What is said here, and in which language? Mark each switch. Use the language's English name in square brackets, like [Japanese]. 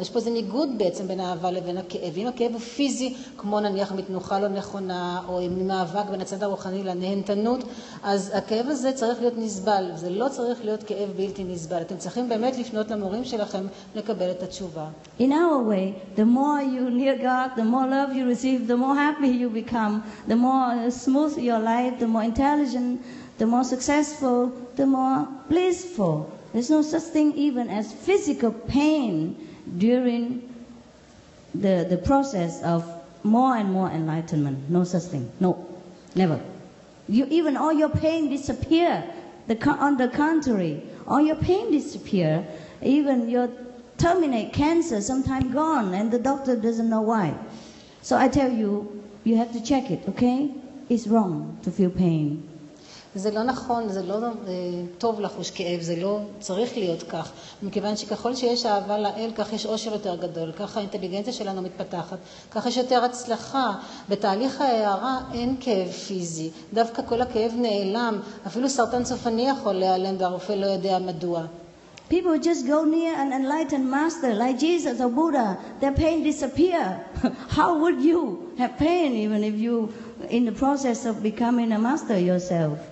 [Hebrew] יש פה איזה ניגוד בעצם בין האהבה לבין הכאב. אם הכאב הוא פיזי, כמו נניח מתנוחה לא נכונה, או אם מאבק בין הצד הרוחני לנהנתנות, אז הכאב הזה צריך להיות נסבל. זה לא צריך להיות כאב בלתי נסבל. אתם צריכים באמת לפנות למורים שלכם לקבל את התשובה. [English] In our way, the more you near God, the more love you receive, the more happy you become, the more smooth your life, the more intelligent, the more successful, the more blissful. There's no such thing even as physical pain during the process of more and more enlightenment. No such thing. No. Never. Even all your pain disappear. On the contrary, all your pain disappear. Even your terminate cancer sometime gone and the doctor doesn't know why. So I tell you, you have to check it, okay? It's wrong to feel pain. [Hebrew] זה לא נכון, זה לא טוב לחוש כאב, זה לא צריך להיות כך, מכיוון שככל שיש אהבה לאל, כך יש עושר יותר גדול, כך האינטליגנציה שלנו מתפתחת, כך יש יותר הצלחה. בתהליך ההערה אין כאב פיזי, דווקא כל הכאב נעלם, אפילו סרטן סופני יכול להיעלם והרופא לא יודע מדוע. [English] People just go near an enlightened master like Jesus or Buddha, their pain disappear. How would you have pain even if you in the process of becoming a master yourself?